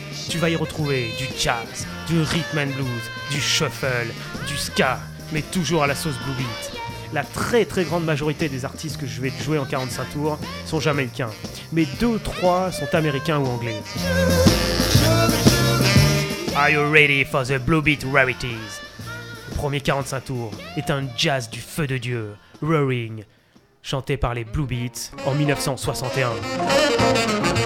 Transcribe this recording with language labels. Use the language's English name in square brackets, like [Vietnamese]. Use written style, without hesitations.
[French] Tu vas y retrouver du jazz, du rhythm and blues, du shuffle, du ska, mais toujours à la sauce Blue Beat. La très très grande majorité des artistes que je vais te jouer en 45 tours sont jamaïcains, mais 2-3 sont américains ou anglais. [English] Are you ready for the Blue Beat Rarities? [French] premier 45 tours est un jazz du feu de Dieu, Roaring, chanté par les Blue Beats en 1961.